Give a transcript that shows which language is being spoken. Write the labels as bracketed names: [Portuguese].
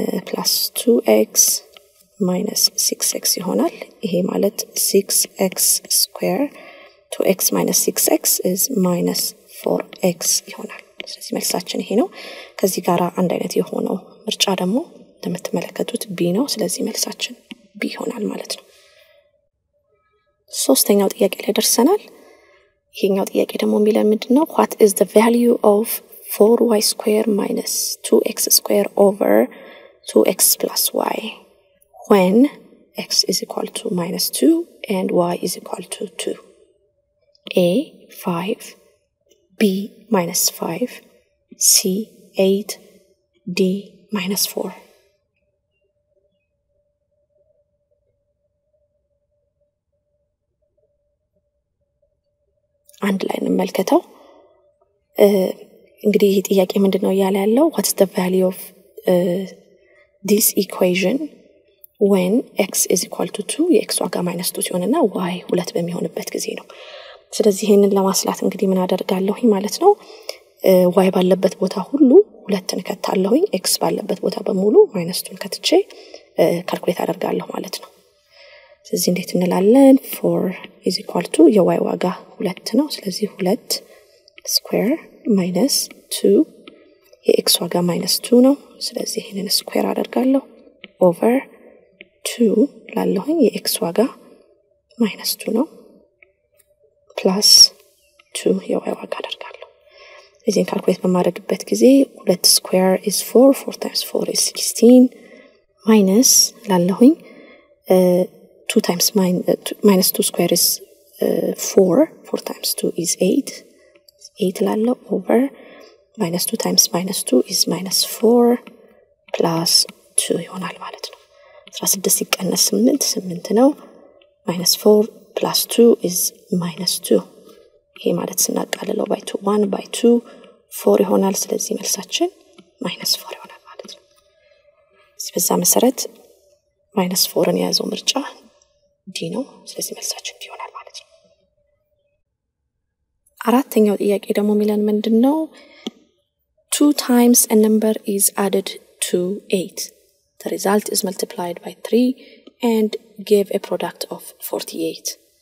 [English] plus 2x minus 6x [Amharic] ይሆናል። ይሄ ማለት [English] 6x square 2x minus 6x is minus 4x [Amharic] ይሆናል። ስለዚህ መልሳችን ይሄ ነው። ከዚህ ጋራ አንድ አይነት የሆነው ምርጫ ደግሞ እንደምትመለከቱት b ነው። ስለዚህ መልሳችን b ይሆናል ማለት ነው። ሶስተኛው ጥያቄ ላይ ደርሰናል። ይሄኛው ጥያቄ ደግሞ የሚለን ምንድነው? [English] what is the value of 4y square minus 2x square over 2x plus y when x is equal to minus 2 and y is equal to 2? a 5 b minus 5 c 8 d minus 4. [Amharic] አንድ ላይ እንመልከተው። እንግዲህ ይሄ ጥያቄ ምንድነው ያለ ያለው? [English] what's the value of this equation when x is equal to 2 [Amharic] የx ዋጋ minus 2 ሲሆንና y 2 በሚሆንበት ጊዜ ነው። ስለዚህ ይሄንን ለማስላት እንግዲህ ምን አደርጋለሁ ማለት ነው? y ባለበት ቦታ ሁሉ 2ን ከተታለሁኝ x ባለበት ቦታ በሙሉ minus 2ን ከተቼ ካልኩሌት አደርጋለሁ ማለት ነው። ስለዚህ እንዴት እንላለን? [English] 4 is equal to [Amharic] የy ዋጋ 2 ነው። ስለዚህ 2 square minus 2 የx ዋጋ minus 2 ነው። ስለዚህ ይሄንን ስኩዌር አደርጋለሁ over 2 ላለሁኝ የx ዋጋ minus 2 ነው [English] plus 2 [Amharic] የy ዋጋ አደርጋለሁ። እዚህን ካልኩሌት በማድረግበት ጊዜ [English] 2 square is 4, 4 times 4 is 16 minus [Amharic] ላለሁኝ [English] 2 times minus 2 square is 4, 4 times 2 is 8, 8 [Amharic] ላለው [English] over minus 2 times minus 2 is minus 4 plus 2 [Amharic] ይሆናል ማለት ነው። 16 ይቀነስ 8, 8 ነው። [English] minus 4 plus 2 is minus 2. [Amharic] ይሄ ማለት ስናቃልለው by 2, 1 by 2, 4 ይሆናል። ስለዚህ መልሳችን minus 4 ይሆናል ማለት ነው። እዚህ በዛ መሰረት minus 4ን የያዘው ምርጫ ዲ ነው። ስለዚህ መልሳችን ዲ ይሆናል ማለት ነው። አራተኛው ጥያቄ ደግሞ የሚለን ምንድን ነው? [English] 2 times a number is added to 8. The result is multiplied by 3 and gave a product of 48.